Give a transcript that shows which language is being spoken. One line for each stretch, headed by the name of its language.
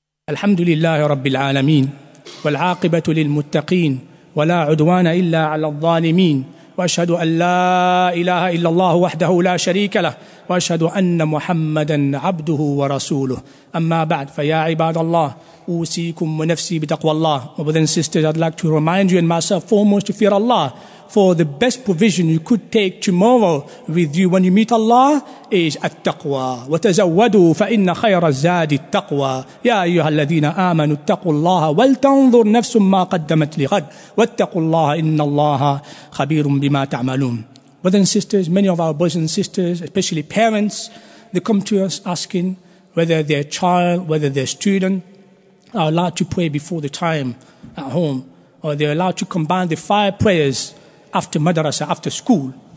Arabic: الحمد لله رب العالمين والعاقبة للمتقين ولا عدوان إلا على الظالمين وأشهد أن لا إله إلا الله وحده لا شريك له وأشهد أن محمدًا عبده ورسوله أما بعد فيا عباد الله أوصيكم ونفسي بتقوى الله.
English: My brothers and sisters, I'd like to remind you and myself foremost to fear Allah, for the best provision you could take tomorrow with you when you meet Allah is التقوى.
Arabic: وتزودوا فإن خير الزاد التقوى. يا أيها الذين آمنوا اتقوا الله ولتنظر نفس ما قدمت لغد واتقوا الله إن الله خبير بما تعملون.
English: Brothers and sisters, many of our brothers and sisters, especially parents, they come to us asking whether their child, whether their student are allowed to pray before the time at home, or they're allowed to combine the five prayers after madrasa, after school.